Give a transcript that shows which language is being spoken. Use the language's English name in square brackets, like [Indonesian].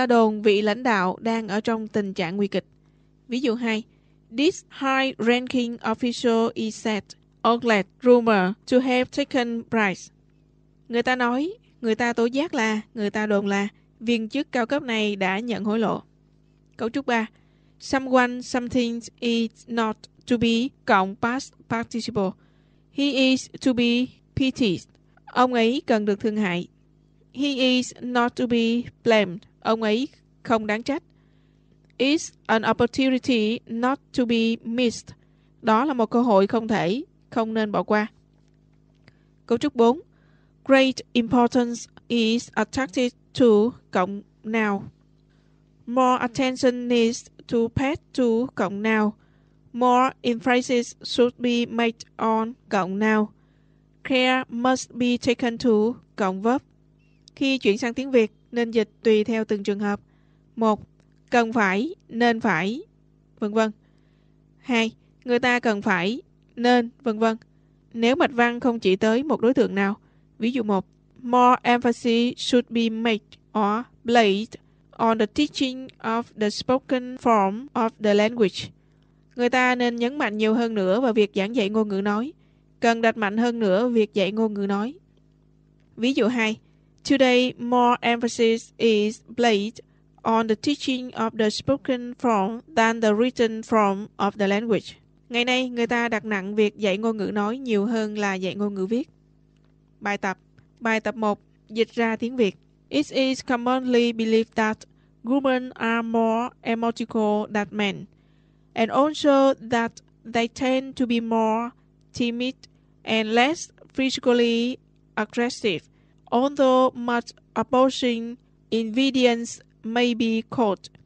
[Vietnamese] Người ta đồn vị lãnh đạo đang ở trong tình trạng nguy kịch. Ví dụ 2. [English] This high-ranking official is said or glad rumor to have taken bribes. [Vietnamese] Người ta tố giác là, người ta đồn là viên chức cao cấp này đã nhận hối lộ. Cấu trúc 3. [English] Someone, something is not to be cộng past participle. He is to be pitied. [Vietnamese] Ông ấy cần được thương hại. He is not to be blamed. [English] Ông ấy không đáng trách. It's an opportunity not to be missed. [Vietnamese] Đó là một cơ hội không thể, không nên bỏ qua. [English] Cấu trúc 4. Great importance is attached to cộng noun. More attention needs to pay to cộng noun. More emphasis should be made on cộng noun. Care must be taken to cộng verb. [Vietnamese] Khi chuyển sang tiếng Việt, nên dịch tùy theo từng trường hợp. 1. Cần phải, nên phải, vân vân. 2. Người ta cần phải, nên, vân vân. Nếu mạch văn không chỉ tới một đối tượng nào, ví dụ 1. [English] More emphasis should be made or placed on the teaching of the spoken form of the language. [Vietnamese] Người ta nên nhấn mạnh nhiều hơn nữa vào việc giảng dạy ngôn ngữ nói. Cần đặt mạnh hơn nữa việc dạy ngôn ngữ nói. Ví dụ 2. [English] Today, more emphasis is placed on the teaching of the spoken form than the written form of the language. [Vietnamese] Ngày nay, người ta đặt nặng việc dạy ngôn ngữ nói nhiều hơn là dạy ngôn ngữ viết. Bài tập 1 dịch ra tiếng Việt. [English] It is commonly believed that women are more emotional than men, and also that they tend to be more timid and less physically aggressive, although much opposing evidence may be quoted.